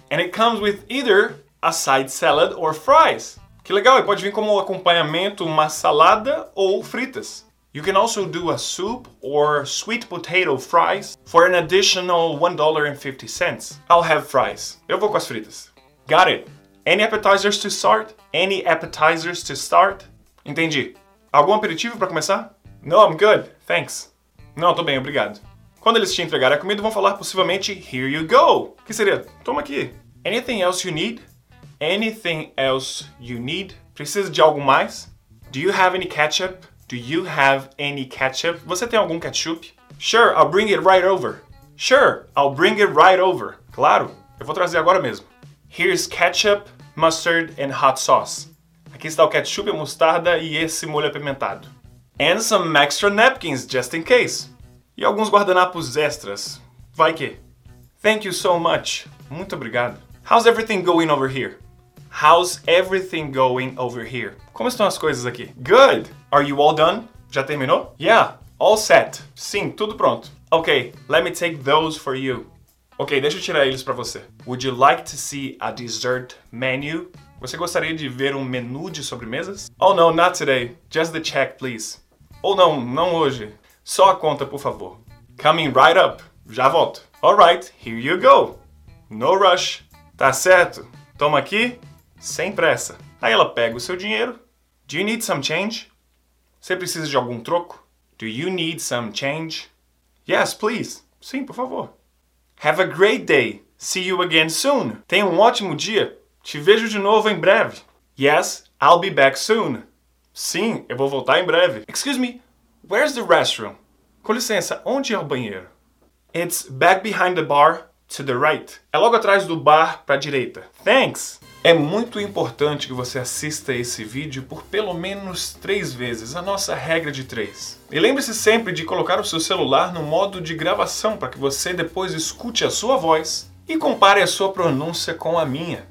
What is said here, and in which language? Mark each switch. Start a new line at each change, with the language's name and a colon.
English: And it comes with either a side salad or fries.
Portuguese: Que legal, e pode vir como acompanhamento uma salada ou fritas.
English: You can also do a soup or sweet potato fries for an additional $1.50. I'll have fries.
Portuguese: Eu vou com as fritas.
English: Got it. Any appetizers to start? Any appetizers to start?
Portuguese: Entendi. Algum aperitivo para começar?
English: No, I'm good. Thanks.
Portuguese: Não, tô bem, obrigado. Quando eles te entregarem a comida, vão falar possivelmente,
English: here you go.
Portuguese: Que seria, toma aqui.
English: Anything else you need? Anything else you need?
Portuguese: Precisa de algo mais?
English: Do you have any ketchup? Do you have any ketchup?
Portuguese: Você tem algum ketchup?
English: Sure, I'll bring it right over. Sure, I'll bring it right over.
Portuguese: Claro, eu vou trazer agora mesmo.
English: Here's ketchup, mustard and hot sauce.
Portuguese: Aqui está o ketchup, a mostarda e esse molho apimentado.
English: And some extra napkins, just in case.
Portuguese: E alguns guardanapos extras. Vai que.
English: Thank you so much.
Portuguese: Muito obrigado.
English: How's everything going over here? How's everything going over here?
Portuguese: Como estão as coisas aqui?
English: Good. Are you all done?
Portuguese: Já terminou?
English: Yeah, all set.
Portuguese: Sim, tudo pronto.
English: Okay, let me take those for you.
Portuguese: Okay, deixa eu tirar eles para você.
English: Would you like to see a dessert menu?
Portuguese: Você gostaria de ver um menu de sobremesas?
English: Oh no, not today. Just the check, please.
Portuguese: Oh não, não hoje. Só a conta, por favor.
English: Coming right up.
Portuguese: Já volto.
English: Alright, here you go. No rush.
Portuguese: Tá certo. Toma aqui. Sem pressa. Aí ela pega o seu dinheiro.
English: Do you need some change?
Portuguese: Você precisa de algum troco?
English: Do you need some change? Yes, please.
Portuguese: Sim, por favor.
English: Have a great day. See you again soon.
Portuguese: Tenha um ótimo dia. Te vejo de novo em breve.
English: Yes, I'll be back soon.
Portuguese: Sim, eu vou voltar em breve.
English: Excuse me, where's the restroom?
Portuguese: Com licença, onde é o banheiro?
English: It's back behind the bar to the right.
Portuguese: É logo atrás do bar para a direita.
English: Thanks!
Portuguese: É muito importante que você assista esse vídeo por pelo menos 3 vezes, a nossa regra de 3. E lembre-se sempre de colocar o seu celular no modo de gravação para que você depois escute a sua voz e compare a sua pronúncia com a minha.